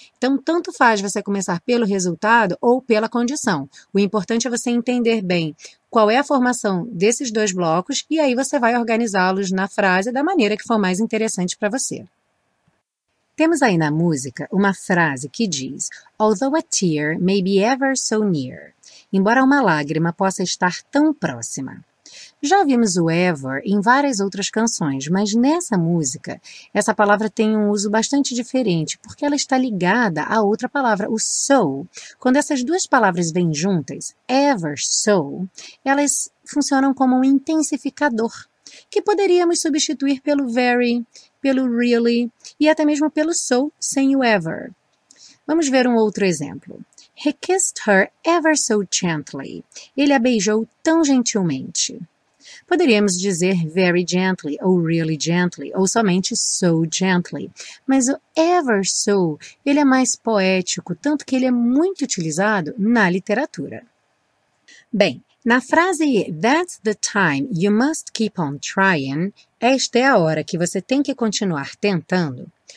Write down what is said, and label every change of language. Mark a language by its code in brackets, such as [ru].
[pt] Então, tanto faz você começar pelo resultado ou pela condição. O importante é você entender bem qual é a formação desses dois blocos e aí você vai organizá-los na frase da maneira que for mais interessante para você. Temos aí na música uma frase que diz: [en] Although a tear may be ever so near. [pt] Embora uma lágrima possa estar tão próxima. Já vimos o ever em várias outras canções, mas nessa música, essa palavra tem um uso bastante diferente, porque ela está ligada à outra palavra, o so. Quando essas duas palavras vêm juntas, ever so, elas funcionam como um intensificador, que poderíamos substituir pelo very, pelo really e até mesmo pelo so sem o ever. Vamos ver um outro exemplo. [en] He kissed her ever so gently. [pt] Ele a beijou tão gentilmente. Poderíamos dizer [en] very gently [pt] ou [en] really gently [pt] ou somente [en] so gently. [pt] Mas o ever so, ele é mais poético, tanto que ele é muito utilizado na literatura. Bem, na frase [en] That's the time you must keep on trying, [pt] esta é a hora que você tem que continuar tentando.